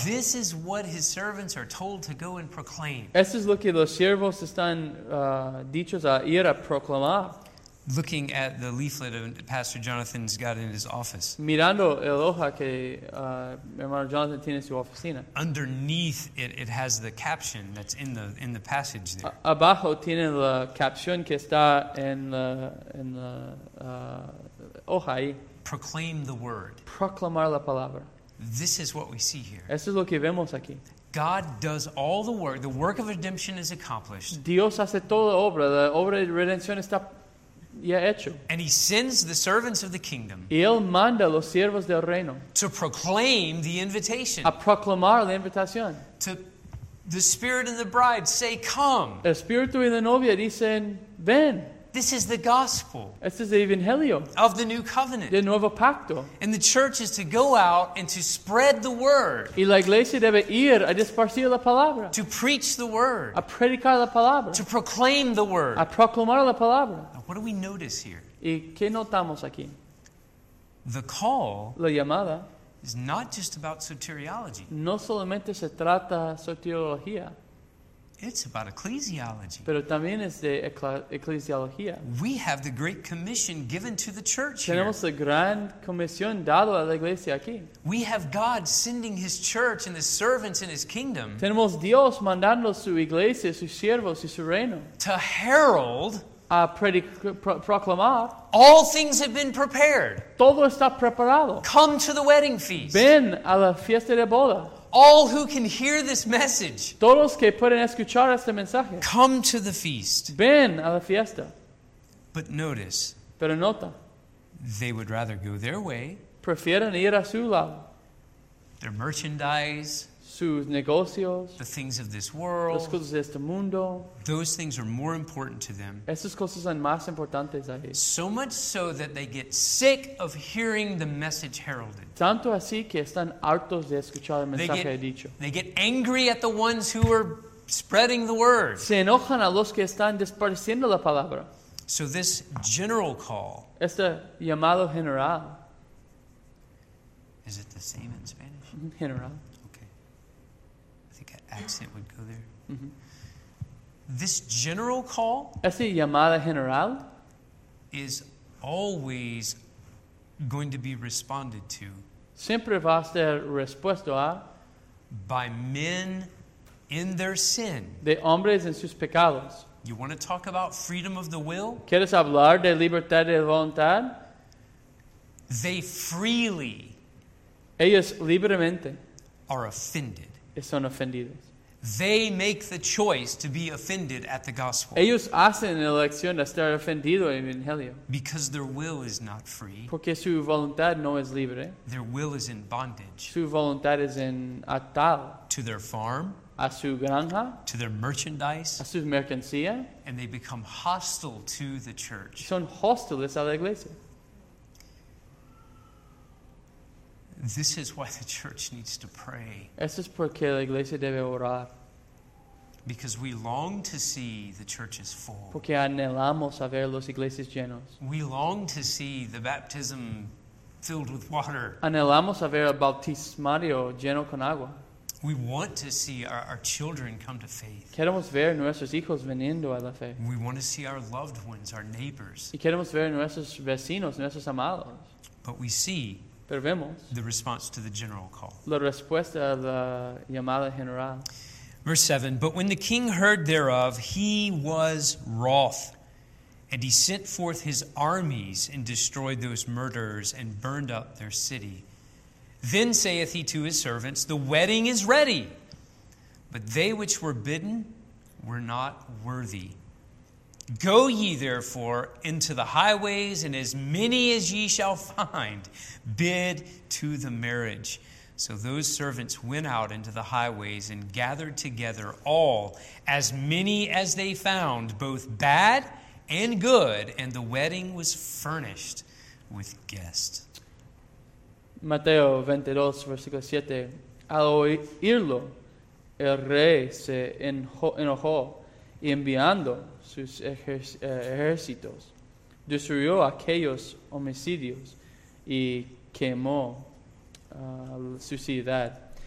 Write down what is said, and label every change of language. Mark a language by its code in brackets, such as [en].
[en] This is what his servants are told to go and proclaim. [es] Esto es lo que los siervos están dichos a ir a proclamar. [en] Looking at the leaflet that Pastor Jonathan's got in his office. [es] Mirando el hoja que hermano Jonathan tiene en su oficina. [en] Underneath it, it has the caption that's in the passage there. [es] Abajo tiene la caption que está en la hoja ahí. [en] Proclaim the word. [es] Proclamar la palabra. [en] This is what we see here. [es] Esto es lo que vemos aquí. [en] God does all the work. The work of redemption is accomplished. [es] Dios hace toda la obra. La obra de redención está ya hecho. [en] And he sends the servants of the kingdom. [es] Y él manda los siervos del reino. [en] To proclaim the invitation. [es] A proclamar la invitación. [en] To the spirit and the bride say, come. [es] El espíritu y la novia dicen, ven. [en] This is the gospel. [es] Este es el evangelio. [en] Of the new covenant. [es] Del nuevo pacto. [en] And the church is to go out and to spread the word. [es] Y la iglesia debe ir a esparcir la palabra. [en] To preach the word. [es] A predicar la palabra. [en] To proclaim the word. [es] A proclamar la palabra. [en] What do we notice here? [es] ¿Y qué notamos aquí? [en] The call, [es] la llamada, [en] is not just about soteriology. [es] No solamente se trata soteriología. [en] It's about ecclesiology. [es] Pero también es de eclesiología. [en] We have the great commission given to the church. [es] Tenemos [en] here. [es] La gran comisión dado a la iglesia aquí. [en] We have God sending his church and his servants in his kingdom. [es] Tenemos Dios mandando su iglesia, sus siervos y su reino. [en] To herald. [es] A proclamar. [en] All things have been prepared. [es] Todo está preparado. [en] Come to the wedding feast. [es] Ven a la fiesta de boda. [en] All who can hear this message. [es] Todos que pueden escuchar este mensaje. [en] Come to the feast. [es] Ven a la fiesta. [en] But notice. [es] Pero nota. [en] They would rather go their way. [es] Prefieren ir a su lado. [en] Their merchandise. [es] Sus negocios, [en] the things of this world, [es] las cosas de este mundo, [en] those things are more important to them. [es] Esas cosas son más importantes ahí. [en] So much so that they get sick of hearing the message heralded. [es] Tanto así que están hartos de escuchar el mensaje dicho. [en] They get angry at the ones who are spreading the word. [es] Se enojan a los que están esparciendo la palabra. [en] So this general call, [es] este llamado general, [en] is it the same in Spanish? [es] General. [en] Accent would go there. Mm-hmm. This general call, [es] esa llamada general, [en] is always going to be responded to. [es] Siempre va a ser respuesto a [en] by men in their sin. [es] De hombres en sus pecados. [en] You want to talk about freedom of the will? [es] ¿Quieres hablar de libertad de voluntad? [en] They freely, [es] ellos libremente, [en] are offended. [es] Son ofendidos. [en] They make the choice to be offended at the gospel. [es] Ellos hacen la elección de estar ofendidos en el evangelio. [en] Because their will is not free. [es] Porque su voluntad no es libre. [en] Their will is in bondage. [es] Su voluntad es en atado. [en] To their farm. [es] A su granja. [en] To their merchandise. [es] A su mercancía. [en] And they become hostile to the church. [es] Son hostiles a la iglesia. [en] This is why the church needs to pray. [es] Esto es porque la iglesia debe orar. [en] Because we long to see the churches full. [es] Porque anhelamos a ver las iglesias llenas. [en] We long to see the baptism filled with water. [es] Anhelamos a ver el bautismario lleno con agua. [en] We want to see our children come to faith. [es] Queremos ver nuestros hijos viniendo a la fe. [en] We want to see our loved ones, our neighbors. [es] Y queremos ver nuestros vecinos, nuestros amados. [en] But we see [es] Pero vemos [en] the response to the general call. [es] La respuesta a la llamada general. [en] Verse 7, but when the king heard thereof, he was wroth, and he sent forth his armies and destroyed those murderers and burned up their city. Then saith he to his servants, the wedding is ready, but they which were bidden were not worthy. Go ye therefore into the highways, and as many as ye shall find, bid to the marriage. So those servants went out into the highways and gathered together all, as many as they found, both bad and good, and the wedding was furnished with guests. [es] Mateo 22, versículo 7. Al oírlo, el rey se enojó y enviando sus ejércitos, destruyó aquellos homicidios y quemó su ciudad.